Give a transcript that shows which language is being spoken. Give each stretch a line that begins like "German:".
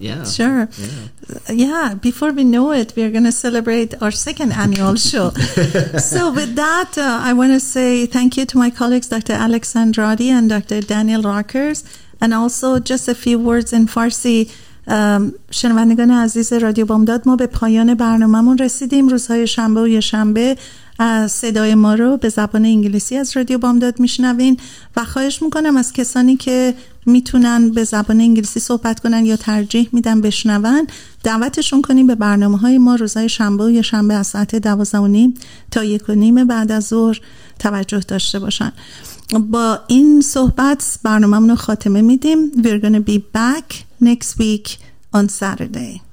English: Yeah. Sure. Yeah, before we know it, we are going to celebrate our second annual show. So with that, I want to say thank you to my colleagues, Dr. Alex Andrade and Dr. Daniel Rockers. And also, just a few words in Farsi.
Persian: شنوندگان عزیز رادیو بامداد، ما به پایان برنامه‌مون رسیدیم. روزهای شنبه و یکشنبه صدای ما رو به زبان انگلیسی از رادیو بامداد میشنوین و خواهش میکنم از کسانی که میتونن به زبان انگلیسی صحبت کنن یا ترجیح میدن بشنون، دعوتشون کنیم به برنامه‌های ما روزهای شنبه و یکشنبه از ساعت 12:30 تا 1:30 بعد از ظهر توجه داشته باشن. با این صحبت برنامه‌مون رو خاتمه میدیم.
English: We're gonna be back next week on Saturday.